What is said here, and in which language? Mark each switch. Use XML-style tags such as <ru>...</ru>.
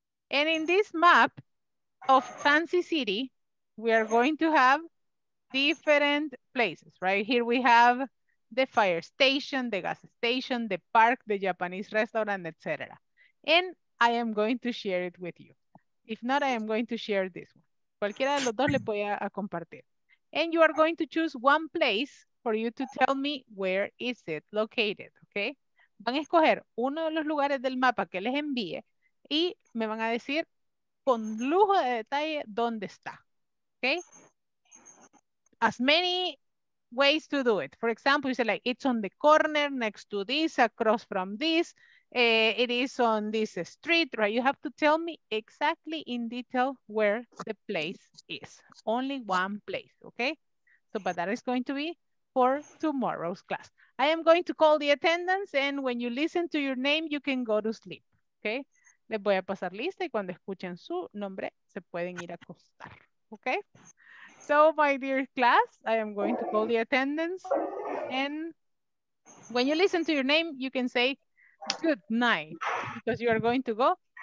<en>And in this map of Fancy City, we are going to have different places, right? Here we have the fire station, the gas station, the park, the Japanese restaurant, etc. And I am going to share it with you. If not, I am going to share this one.</en> <es>Cualquiera de los dos le voy a compartir.</es> <en>And you are going to choose one place for you to tell me where is it located, okay?</en> <es>Van a escoger uno de los lugares del mapa que les envíe y me van a decir con lujo de detalle dónde está, okay?</es> <en>As many ways to do it. For example, you say like, it's on the corner next to this, across from this, It is on this street, right? You have to tell me exactly in detail where the place is. Only one place, okay? So, but that is going to be for tomorrow's class. I am going to call the attendance, and when you listen to your name, you can go to sleep, okay?</en> <es>Les voy a pasar lista, y cuando escuchen su nombre, se pueden ir a acostar, okay?</es> <en>So, my dear class, I am going to call the attendance, and when you listen to your name, you can say, good night, because you are going to go.</en>